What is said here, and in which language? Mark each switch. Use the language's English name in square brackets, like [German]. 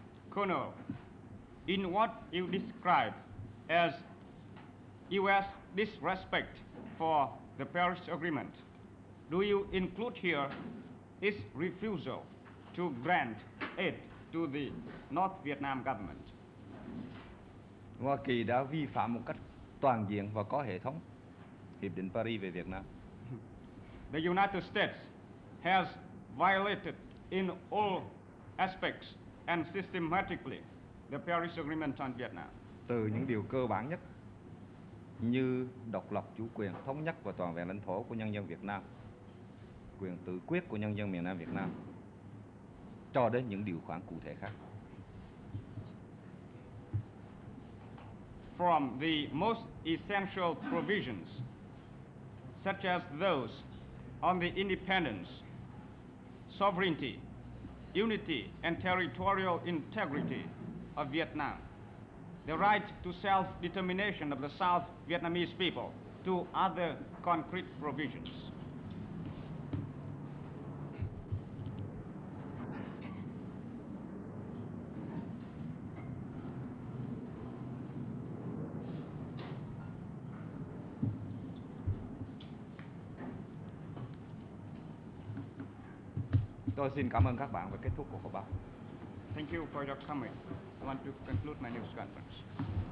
[English] Colonel, in what you describe as U.S. disrespect for the Paris Agreement, do you include here its refusal to grant aid to the North Vietnam government? [Vietnamese] Hoa Kỳ đã vi phạm một cách toàn diện và có hệ thống Hiệp định Paris về Việt Nam. [English] The United States has violated in all aspects and systematically the Paris Agreement on Vietnam. [Vietnamese] Từ những điều cơ bản nhất như độc lập, chủ quyền, thống nhất và toàn vẹn lãnh thổ của nhân dân Việt Nam, quyền tự quyết của nhân dân miền Nam Việt Nam, cho đến những điều khoản cụ thể khác. [English] From the most essential provisions, such as those on the independence, sovereignty, unity and territorial integrity of Vietnam, the right to self-determination of the South Vietnamese people, to other concrete provisions. [Vietnamese] Tôi xin cảm ơn các bạn và kết thúc của họp báo. [English] Thank you for your coming. I want to conclude my news conference.